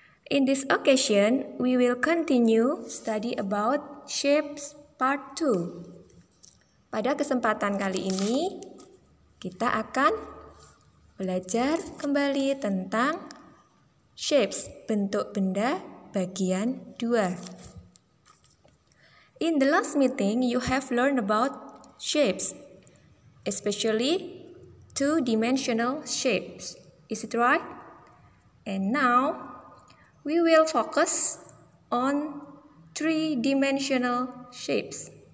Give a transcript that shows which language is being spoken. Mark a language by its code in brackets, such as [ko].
[en] In this occasion, we will continue study about shapes part 2. [id] Pada kesempatan kali ini, kita akan belajar kembali tentang shapes, bentuk benda bagian 2. [en] In the last meeting, you have learned about shapes, especially two-dimensional shapes. Is it right? And now, we will focus on three-dimensional shapes.